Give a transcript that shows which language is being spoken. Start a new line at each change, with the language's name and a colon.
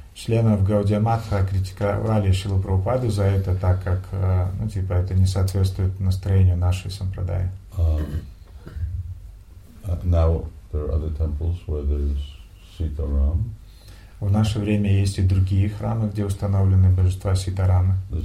Russian: Членов Гаудия Матха критиковали Шрилу Прабхупаду за это, так как, это не соответствует настроению нашей сампрадаи.
English: Now there are other temples where there's Sitaram.
Russian: В наше время есть и другие храмы, где установлены божества Ситарамы.